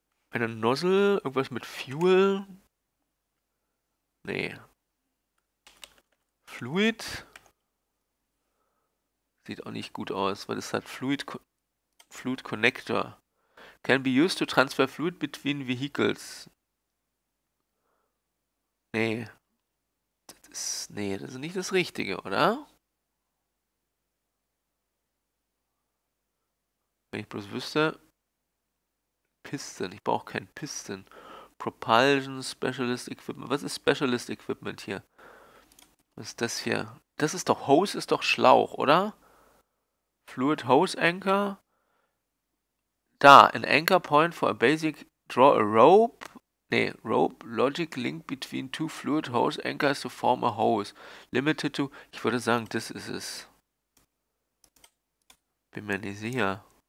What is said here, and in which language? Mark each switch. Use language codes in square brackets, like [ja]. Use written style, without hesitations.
[de] Eine Nozzle, irgendwas mit Fuel. Nee. Fluid. Sieht auch nicht gut aus, weil es hat Fluid Connector. [en] Can be used to transfer fluid between vehicles. [de] Nee. Nee, das ist nicht das Richtige, oder? Wenn ich bloß wüsste. Piston. Ich brauche kein Piston. [en] Propulsion Specialist Equipment. [de] Was ist Specialist Equipment hier? Was ist das hier? Das ist doch Hose, ist doch Schlauch, oder? [en] Fluid Hose Anchor. [de] Da, [en] an Anchor Point for a basic draw a rope. [de] Nee, [en] Rope, Logic Link between two fluid hose anchors to form a hose. Limited to. [de] Ich würde sagen, das ist es. Bin mir nicht sicher.